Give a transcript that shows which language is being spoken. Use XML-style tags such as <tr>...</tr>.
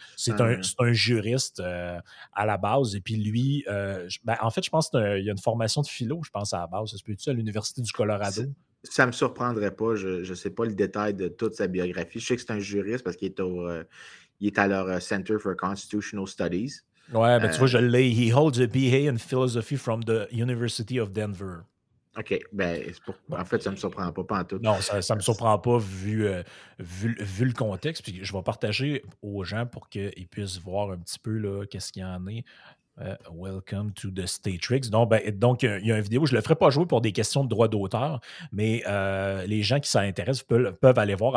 <fr>C'est un juriste à la base. Et puis lui, je pense qu'il y a une formation de philo, je pense, à la base. Ça se peut-tu à l'Université du Colorado? Ça ne me surprendrait pas. Je ne sais pas le détail de toute sa biographie. Je sais que c'est un juriste parce qu'il est au... Il est à leur Center for Constitutional Studies. Ouais, mais tu vois, je l'ai.</fr> <en>He holds a BA in philosophy from the University of Denver.</en> <fr>OK. Ça ne me surprend pas en tout. Non, ça ne me surprend pas vu le contexte. Puis je vais partager aux gens pour qu'ils puissent voir un petit peu là, qu'est-ce qu'il y en a.</fr> <en>Welcome to the Statrix.</en> <fr>Donc, il y a une vidéo. Je ne le ferai pas jouer pour des questions de droit d'auteur, mais les gens qui s'intéressent peuvent aller voir.</fr>